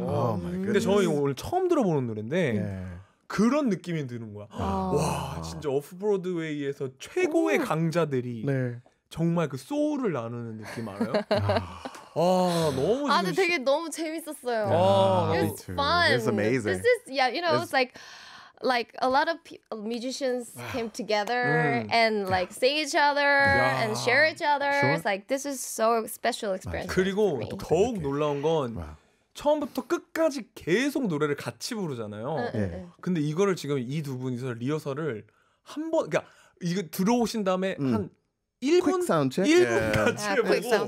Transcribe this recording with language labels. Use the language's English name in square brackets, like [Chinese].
[Korean] 근데 저희 오늘 처음 들어보는 노래인데. 그런 느낌이 드는 거야. 와, 진짜 오프 브로드웨이에서 최고의 강자들이 네. 정말 그 소울을 나누는 느낌 알아요? 너무 아, 근데 되게 너무 재밌었어요. [English] It was fun. It's amazing. This is yeah, you know, it's like a lot of musicians came together and like sing each other and share each other. It's like this is so special experience. [Korean] 그리고 더욱 놀라운 건 처음부터 끝까지 계속 노래를 같이 부르잖아요. 근데 이거를 지금 이 두 분이서 리허설을 한 번, 그러니까 이거 들어오신 다음에 한 1분 사운드 같이 해보고